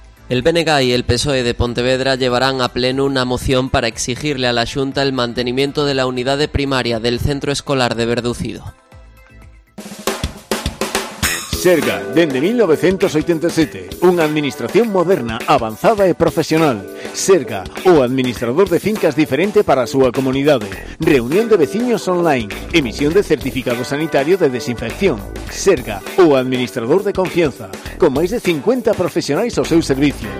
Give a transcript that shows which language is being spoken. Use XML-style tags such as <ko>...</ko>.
<es>El BNG y el PSOE de Pontevedra llevarán a pleno una moción para exigirle a la Xunta el mantenimiento de la unidad de primaria del centro escolar de Verducido.</es> <gl>Serga, dende 1987, unha administración moderna, avanzada e profesional. Serga, o administrador de fincas diferente para a súa comunidade. Reunión de veciños online, emisión de certificado sanitario de desinfección. Serga, o administrador de confianza, con máis de 50 profesionais ao seu servicio.</gl>